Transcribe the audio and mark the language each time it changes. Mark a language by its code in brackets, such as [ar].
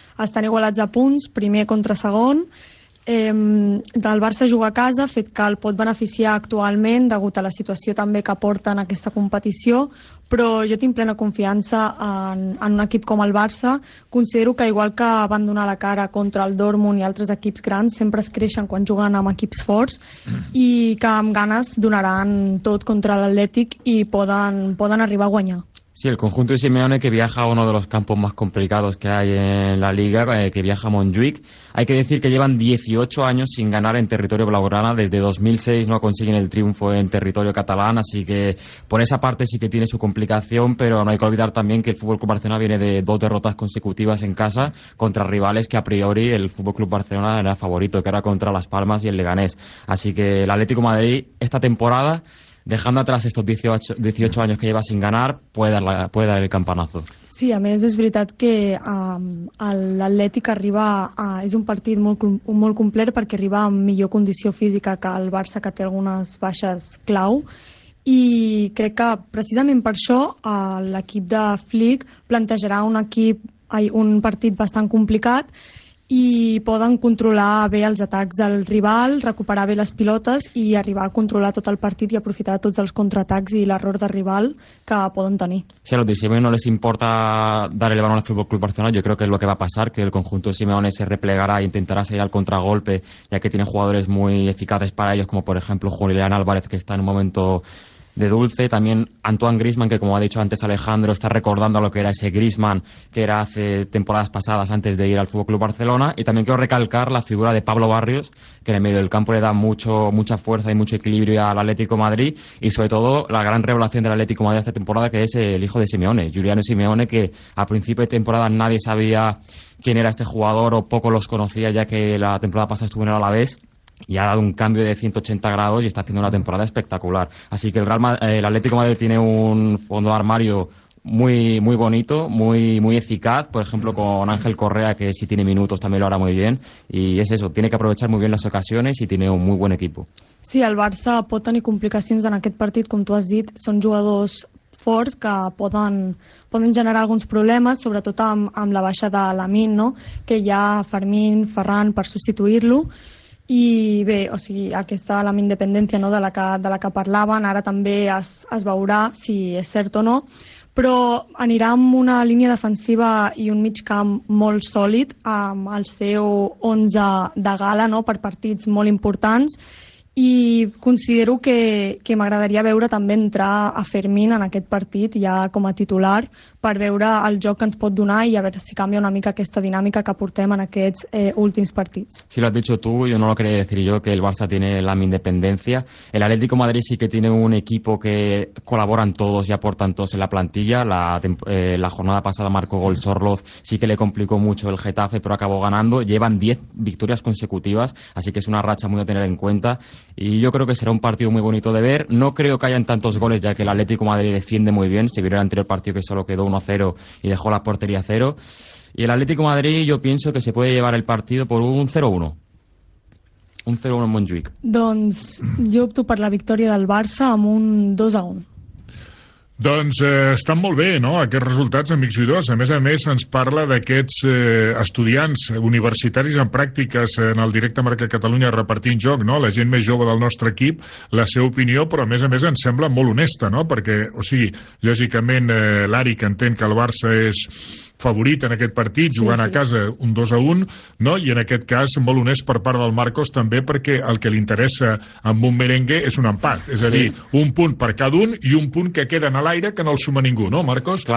[ca] Estan igualats a punts, primer contra segon. El Barça juga a casa, fet que el pot beneficiar actualment, degut a la situació també que porta en aquesta competició, però jo tinc plena confiança en un equip com el Barça. Considero que, igual que van donar la cara contra el Dortmund i altres equips grans, sempre es creixen quan juguen amb equips forts, i que amb ganes donaran tot contra l'Atlètic i poden arribar a guanyar. [es] Sí, el conjunto de Simeone, que viaja a uno de los campos más complicados que hay en la Liga, que viaja a Montjuïc. Hay que decir que llevan 18 años sin ganar en territorio blaugrana. Desde 2006 no consiguen el triunfo en territorio catalán, así que por esa parte sí que tiene su complicación, pero no hay que olvidar también que el FC Barcelona viene de dos derrotas consecutivas en casa contra rivales que a priori el FC Barcelona era favorito, que era contra Las Palmas y el Leganés. Así que el Atlético de Madrid esta temporada, dejando atrás estos 18 años que lleva sin ganar, puede dar el campanazo. [ca] Sí, a més és veritat que l'Atlètic arriba a... és un partit molt, molt complet, perquè arriba amb millor condició física que el Barça, que té algunes baixes clau, i crec que precisament per això l'equip de Flick plantejarà un partit bastant complicat, i poden controlar bé els atacs del rival, recuperar bé les pilotes i arribar a controlar tot el partit i aprofitar tots els contraatacs i l'error del rival que poden tenir. [es] Si a los de Simeone no les importa dar el balón al FC Barcelona, yo creo que es lo que va a pasar, que el conjunto de Simeone se replegará e intentará salir al contragolpe, ya que tienen jugadores muy eficaces para ellos, como por ejemplo Julián Álvarez, que está en un momento de dulce, también Antoine Griezmann, que como ha dicho antes Alejandro, está recordando lo que era ese Griezmann que era hace temporadas pasadas antes de ir al FC Barcelona. Y también quiero recalcar la figura de Pablo Barrios, que en el medio del campo le da mucha fuerza y mucho equilibrio al Atlético Madrid, y sobre todo la gran revelación del Atlético Madrid esta temporada, que es el hijo de Simeone, Juliano Simeone, que a principio de temporada nadie sabía quién era este jugador o poco los conocía, ya que la temporada pasada estuvo en el Alavés. Y ha dado un cambio de 180 grados y está haciendo una temporada espectacular. Así que el Atlético de Madrid tiene un fondo de armario muy, muy bonito, muy, muy eficaz. Por ejemplo, con Ángel Correa, que si tiene minutos también lo hará muy bien. Y es eso, tiene que aprovechar muy bien las ocasiones y tiene un muy buen equipo. [ca] Sí, el Barça pot tenir complicacions en aquest partit, com tu has dit. Són jugadors forts que poden generar alguns problemes, sobretot amb la baixa de Lamine, no? Que hi ha Fermín, Ferran per substituir-lo. I bé, o sigui, aquesta la independència, no, de la que parlaven, ara també es veurà si és cert o no, però anirà amb una línia defensiva i un mig camp molt sòlid, amb el seu 11 de gala, no, per partits molt importants, i considero que m'agradaria veure també entrar a Fermín en aquest partit ja com a titular, per veure el joc que ens pot donar i a veure si canvia una mica aquesta dinàmica que portem en aquests últims partits. [es] Si lo has dicho tú, yo no lo quería decir yo, que el Barça tiene la independencia. El Atlético Madrid sí que tiene un equipo que colaboran todos y aportan todos en la plantilla. La jornada pasada marcó gol Sorloz, sí que le complicó mucho el Getafe, pero acabó ganando. Llevan 10 victorias consecutivas, así que es una racha muy a tener en cuenta. Y yo creo que será un partido muy bonito de ver. No creo que hayan tantos goles, ya que el Atlético Madrid defiende muy bien. Se vio el anterior partido que solo quedó 1-0 y dejó la portería a cero. Y el Atlético Madrid, yo pienso que se puede llevar el partido por un 0-1. Un 0-1 en Montjuïc. [ca] Doncs jo opto per la victòria del Barça amb un 2-1. Doncs estan molt bé, no?, aquests resultats, amics jugadors. A més, ens parla d'aquests estudiants universitaris en pràctiques en el Directe Marca Catalunya repartint joc, no?, la gent més jove del nostre equip, la seva opinió, però a més ens sembla molt honesta, no?, perquè, o sigui, lògicament l'Ari, que entén que el Barça és favorit en aquest partit, jugant a casa un 2-1, no?, i en aquest cas molt honest per part del Marcos també, perquè el que li interessa amb un merengue és un empat, és a dir, un punt per cada un i un punt que queda en l'aire que no el suma ningú, no, Marcos?